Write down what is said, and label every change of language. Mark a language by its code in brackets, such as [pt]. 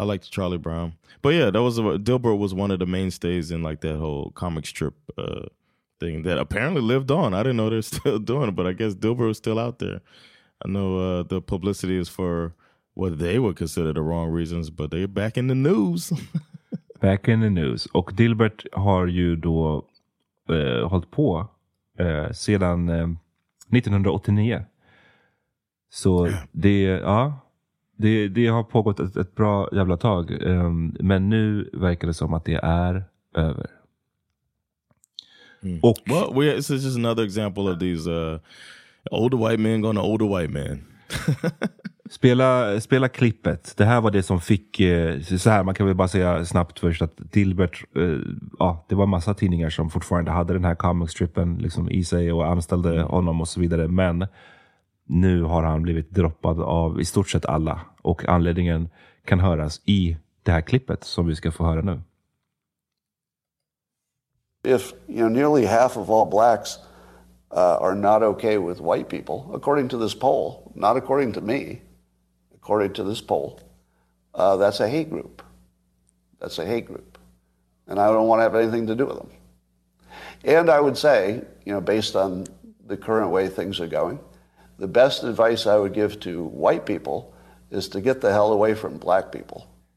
[en] I liked Charlie Brown, but yeah, Dilbert was one of the mainstays in like that whole comic strip thing that apparently lived on. I didn't know they're still doing it, but I guess Dilbert was still out there. I know the publicity is for what they would consider the wrong reasons, but they're back in the news. Back in the news. [sv] Och Dilbert har ju då hållit på sedan 1989. Så det har pågått ett bra jävla tag, men nu verkar det som att det är över. Mm. Och [en] well, this is just another example of these older white men going to older white men. [sv] spela klippet. Det här var det som fick så här, man kan väl bara säga snabbt först att Dilbert det var massa tidningar som fortfarande hade den här comic strippen liksom i sig och anställde honom och så vidare, men nu har han blivit droppad av i stort sett alla. Och anledningen kan höras i det här klippet som vi ska få höra nu. [en] If you know, nearly half of all blacks are not okay with white people, according to this poll, not according to me, according to this poll, that's a hate group. That's a hate group. And I don't want to have anything to do with them. And I would say, you know, based on the current way things are going, the best advice I would give to white people is to get the hell away from black people.